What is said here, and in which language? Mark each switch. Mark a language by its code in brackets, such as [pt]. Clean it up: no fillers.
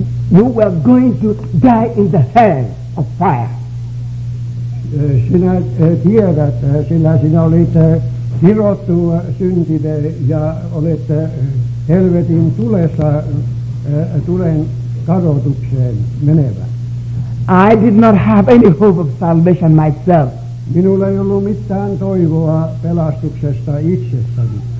[en] You were going to die in the hell of fire. [fi] Sinä tiedät, sillä sinä olit sirottu syntinen ja olet helvetin tulessa, tulen kadotukseen menevä. [en] I did not have any hope of salvation myself. [fi] Minulla ei ollut mitään toivoa pelastuksesta itsestäni.